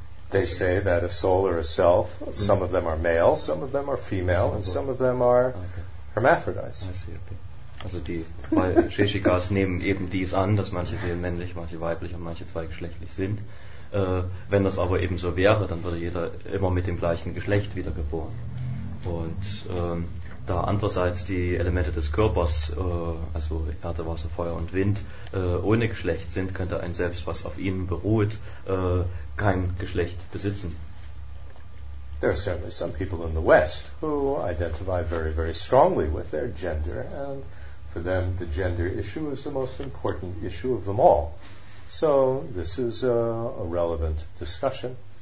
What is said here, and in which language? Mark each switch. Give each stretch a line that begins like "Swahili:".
English: They say that a soul or a self, some of them are male, some of them are female, and some of them are hermaphrodites. I see, okay.
German: Also die Sheshikas nehmen eben dies an, dass manche Seelen männlich, manche weiblich und manche zweigeschlechtlich sind. Wenn das aber eben so wäre, dann würde jeder immer mit dem gleichen Geschlecht wiedergeboren. Und da andererseits die Elemente des Körpers, also Erde, Wasser, Feuer und Wind, ohne Geschlecht sind, könnte ein Selbst, was auf ihnen beruht, kein Geschlecht besitzen.
English: There are certainly some people in the West who identify very, very strongly with their gender, and for them the gender issue is the most important issue of them all. So this is a relevant discussion.